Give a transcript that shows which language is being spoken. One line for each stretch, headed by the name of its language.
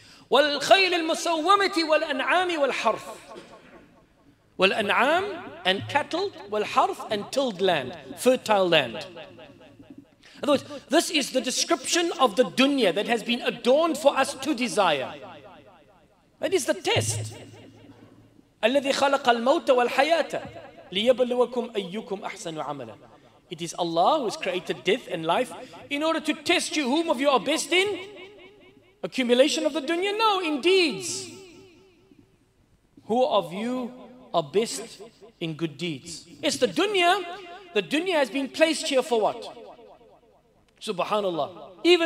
Arabic: والخيل المسومة والأنعام والحرث.
English: والأنعام and cattle, والحرث and tilled land, fertile land. In other words, this is the description of the dunya that has been adorned for us to desire. That is the test.
Arabic: الذي خلق الموت والحياة ليبلوكم أيكم أحسن عملا.
English: It is Allah who has created death and life in order to test you whom of you are best in. Accumulation of the dunya? No, in deeds. Who of you are best in good deeds? It's the dunya. The dunya has been placed here for what? Subhanallah.